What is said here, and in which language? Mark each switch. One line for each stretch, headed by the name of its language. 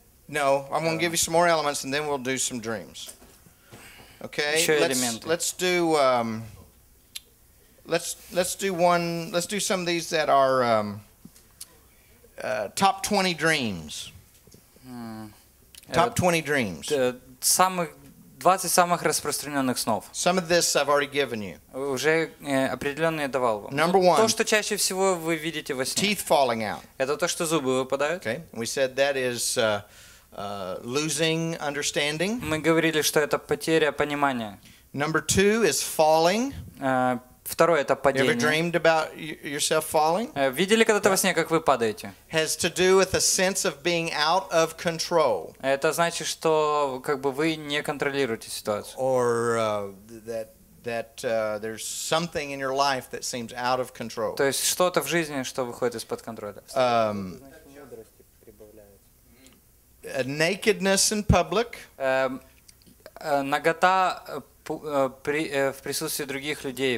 English: No, I'm going to give you some more elements, and then we'll do some dreams. Okay. Let's do. Let's do one. Let's do some of these that are top 20 dreams. Top 20 dreams.
Russian: Двадцать самых распространенных снов.
English: Some of this I've already given you.
Russian: Уже определенные давал вам.
English: Number one.
Russian: То, что чаще всего вы видите во сне.
English: Teeth falling out.
Russian: Это то, что зубы выпадают.
English: Okay. We said that is losing understanding.
Russian: Мы говорили, что это потеря понимания.
English: Number two is falling.
Russian: Второе это падение.
English: Ever dreamed about yourself falling?
Russian: Видели когда-то во сне, как вы падаете?
English: Has to do with a sense of being out of control.
Russian: Это значит, что как бы вы не контролируете ситуацию.
English: Or that there's something in your life that seems out of control.
Russian: То есть что-то в жизни, что выходит из-под контроля.
English: Nakedness in public.
Russian: Нагота в присутствии других людей.